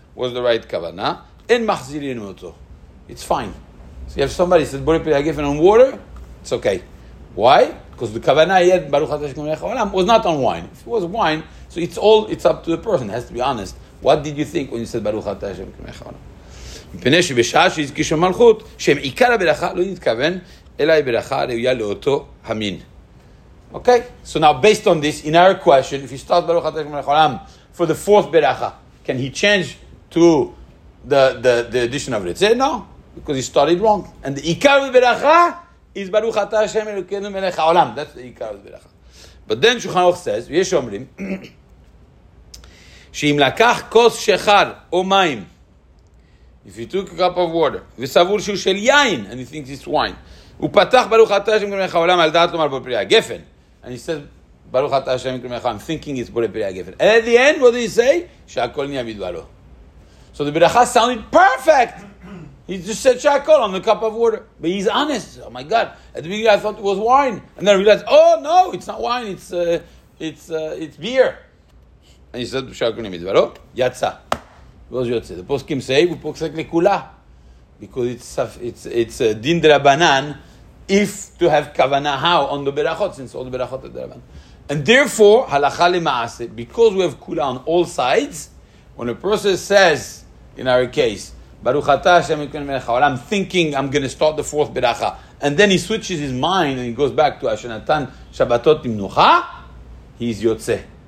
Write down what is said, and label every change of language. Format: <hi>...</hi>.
<en>was the right kavana. In machzirin moto, it's fine. So you have somebody said bore pri hagefen on water, it's okay. Why? Because the kavana yet baruch atah shekumei ha'olam was not on wine. If it was wine, so it's all it's up to the person. It has to be honest. What did you think when you said baruch atah shekumei ha'olam?</en> <he>מפני שבשעה שהזכישו מלכות, שהם עיקר הברכה, לא נתכוון, אלא הברכה הראויה לאותו המין.</he> <en>Okay? So now, based on this, in our question, if you start Baruch HaTash Melech HaOlam for the fourth beracha, can he change to the addition of Ritzeh? No, because he started wrong. And the עיקר of the beracha is Baruch HaTash Melech HaOlam. That's the עיקר of the beracha. But then Shulchan Aruch says,</en> <he>ויש אומרים, שאם לקח כוס שחר או מים,</he> <en>if he took a cup of water,</en> <he>וסבור שהוא של יין,</he> <en>and he thinks it's wine,</en> <he>ופתח ברוך אתה השם קרמך העולם על דעת לומר בפרי הגפן,</he> <en>and he says,</en> <he>ברוך אתה השם קרמך העולם,</he> <en>I'm thinking it's</en> <he>בורי פרי הגפן.</he> <en>And at the end, what did he say? שהכל נהיה בדברו. So the ברכה sounded perfect. He just said שהכל on the cup of water. But he's honest. Oh my God. At the beginning, I thought it was wine. And then I realized, oh no, it's not wine, it's beer. And he said,</en> <he>שהכל נהיה בדברו, יצא.</he> <en>The poskim say, because it's din drabanan, if to have kavana how on the berachot, since all the berachot are drabanan. And therefore, halacha lemaase, because we have kula on all sides, when a person says, in our case, baruch atah Hashem ikon melech haolam, I'm thinking I'm going to start the fourth beracha, and then he switches his mind and he goes back to Hashanatan Shabbatot Nimnucha, he's yotzeh.</en>